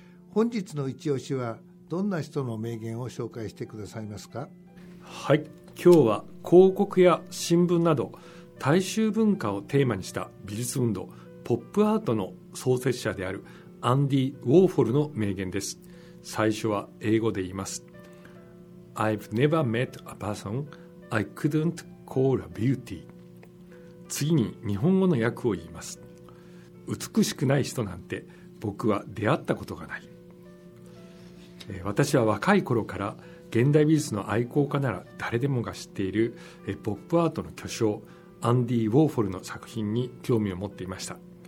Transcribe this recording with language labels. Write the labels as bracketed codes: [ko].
[ja] 本日の一押しはどんな人の名言を紹介してくださいますか？はい、今日は広告や新聞など大衆文化をテーマにした美術運動ポップアートの創設者であるアンディ・ウォーホルの名言です。最初は英語で言います。 [en] I've never met a person I couldn't call a beauty. [ja] 次に日本語の訳を言います。美しくない人なんて僕は出会ったことがない。私は若い頃から現代美術の愛好家なら誰でもが知っているポップアートの巨匠アンディ・ウォーホルの作品に興味を持っていました。